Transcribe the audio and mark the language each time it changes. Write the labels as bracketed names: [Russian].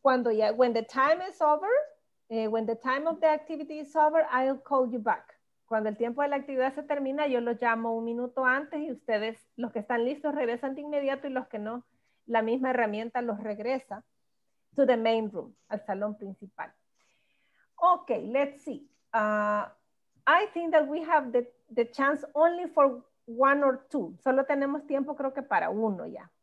[Spanish] Cuando ya, [English] when the time is over, when the time of the activity is over, I'll call you back. [Spanish] cuando el tiempo de la actividad se termina, yo los llamo un minuto antes y ustedes, los que están listos, regresan de inmediato y los que no, la misma herramienta los regresa [English] to the main room, [Spanish] al salón principal. [English] Ok, let's see. I think that we have the chance only for one or two. [Spanish] Solo tenemos tiempo, creo que para uno ya.